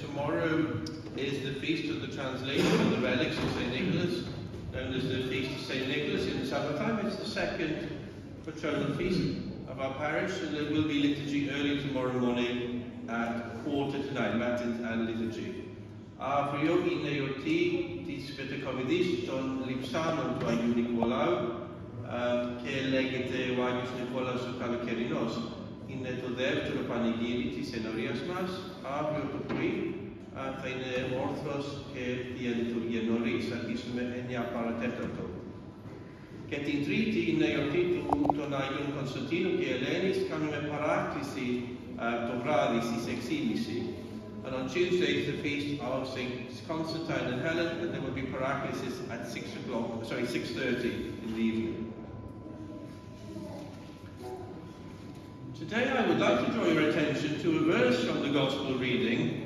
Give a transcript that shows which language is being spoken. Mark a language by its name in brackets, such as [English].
[English] Tomorrow is the Feast of the Translation of the Relics of St. Nicholas, known as the Feast of St. Nicholas in the summertime. It's the second patronal feast of our parish, and there will be liturgy early tomorrow morning at 8:45, Matins and liturgy. [Greek] Φριόγι είναι η ορτή της κατακομιδής των λειψάνων του Αγίου Νικολάου και λέγεται ο Άγιος Νικόλαος ο Καλοκαιρινός. Είναι το δεύτερο πανηγύρι της ενορίας μας. Αύριο το πρωί θα είναι όρθρος και θεία λειτουργία νωρίς. Θα αρχίσουμε 9 παρατέταρτο. Και την Τρίτη είναι η ορτή των Αγίων Κωνσταντίνου και Ελένης. Κάνουμε παράκληση το βράδυ στις 6:30. [English] And on Tuesday is the feast of St. Constantine and Helen, and there will be paraclises at 6:30 in the evening. Today I would like to draw your attention to a verse from the Gospel reading.